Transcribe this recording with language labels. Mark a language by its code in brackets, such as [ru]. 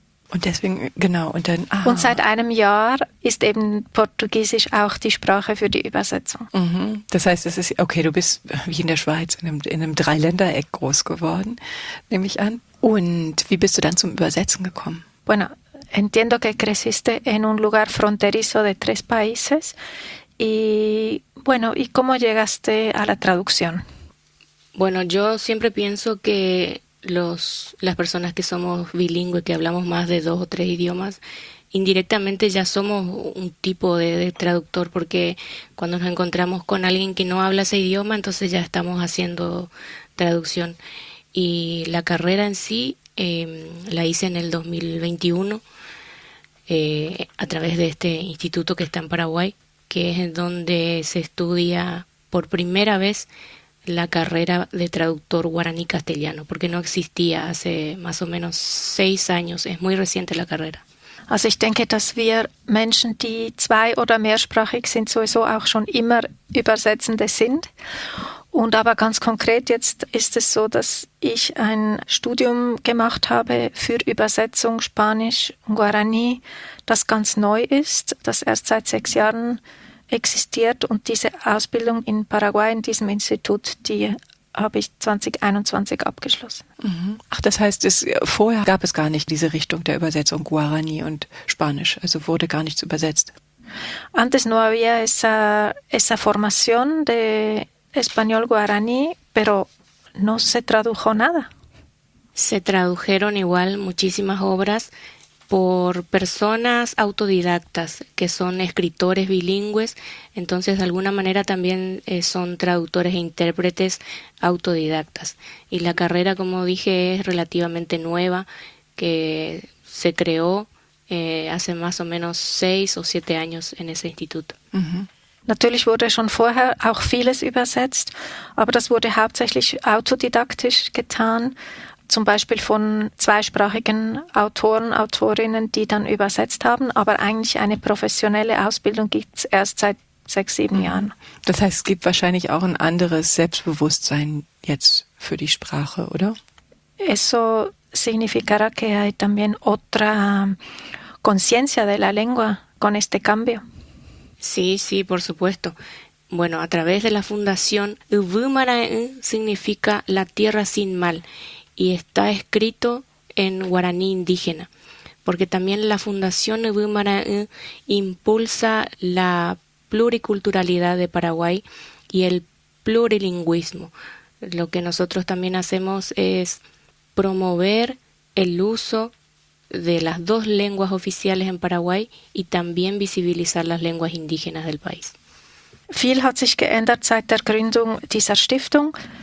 [de] Und deswegen, genau, und dann, Und seit einem Jahr ist eben Portugiesisch auch die Sprache für die Übersetzung. Das heißt, es ist, okay, du bist wie in der Schweiz in einem Dreiländereck groß geworden, nehme ich an. Und wie bist du dann zum Übersetzen gekommen? [es] Bueno, entiendo que creciste en un lugar fronterizo de 3 países y bueno, ¿y cómo llegaste a la traducción? Bueno, yo siempre pienso que las personas que somos bilingües, que hablamos más de 2 o 3 idiomas, indirectamente ya somos un tipo de traductor, porque cuando nos encontramos con alguien que no habla ese idioma, entonces ya estamos haciendo traducción. Y la carrera en sí la hice en el 2021 a través de este instituto que está en Paraguay, que es donde se estudia por primera vez la carrera de traductor guaraní castellano, porque no existía hace más o menos 6 años, es muy reciente la carrera. [de] Also ich denke, dass wir Menschen, die zwei- oder mehrsprachig sind, sowieso auch schon immer Übersetzende sind. Und aber ganz konkret jetzt ist es so, dass ich ein Studium gemacht habe für Übersetzung Spanisch und Guarani, das ganz neu ist, das erst seit 6 Jahren existiert. Und diese Ausbildung in Paraguay in diesem Institut, die habe ich 2021 abgeschlossen. Mhm. Ach, das heißt, vorher gab es gar nicht diese Richtung der Übersetzung Guarani und Spanisch, also wurde gar nichts übersetzt. [es] Antes no había esa formación de español guaraní, pero no se tradujo nada. Se tradujeron igual muchísimas obras por personas autodidactas que son escritores bilingües, entonces de alguna manera también son traductores e intérpretes autodidactas. Y la carrera, como dije, es relativamente nueva, que se creó hace más o menos 6 o 7 años en ese instituto. Uh-huh. [de] Natürlich wurde schon vorher auch vieles übersetzt, aber das wurde hauptsächlich autodidaktisch getan, zum Beispiel von zweisprachigen Autoren, Autorinnen, die dann übersetzt haben. Aber eigentlich eine professionelle Ausbildung gibt es erst seit 6, 7 Jahren. Das heißt, es gibt wahrscheinlich auch ein anderes Selbstbewusstsein jetzt für die Sprache, oder? [es] Eso significará que hay también otra conciencia de la lengua con este cambio. Sí, sí, por supuesto. Bueno, a través de la fundación, Uvumara'en significa la tierra sin mal y está escrito en guaraní indígena, porque también la fundación Uvumara'en impulsa la pluriculturalidad de Paraguay y el plurilingüismo. Lo que nosotros también hacemos es promover el uso de las 2 lenguas oficiales en Paraguay y también visibilizar las lenguas indígenas del país. [de] Viel hat sich geändert seit der Gründung dieser Stiftung.